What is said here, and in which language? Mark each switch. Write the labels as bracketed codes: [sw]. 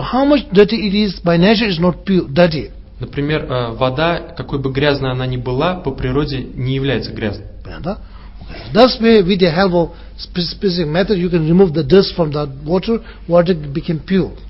[en] How much dirty it is by nature is not pure, dirty. [ru] Например, вода, какой бы грязной она ни была, по природе не является грязной. Понятно? Okay. [en] That's where, with the help of specific method, you can remove the dust from that water, water became pure.